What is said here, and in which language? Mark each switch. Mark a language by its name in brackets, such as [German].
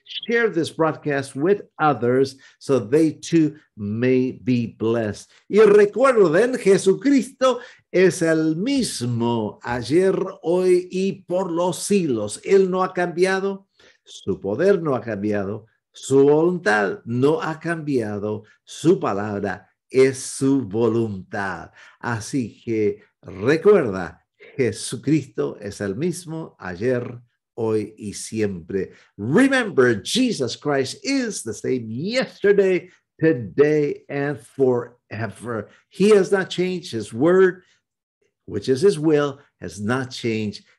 [English] Share this broadcast with others so they too may be blessed. [Spanish] Y recuerden, Jesucristo es el mismo ayer, hoy y por los siglos. Él no ha cambiado, su poder no ha cambiado, su voluntad no ha cambiado, su palabra es su voluntad. Así que recuerda, Jesucristo es el mismo ayer, hoy y siempre. [English] Remember, Jesus Christ is the same yesterday, today, and forever. He has not changed his word, which is his will, has not changed.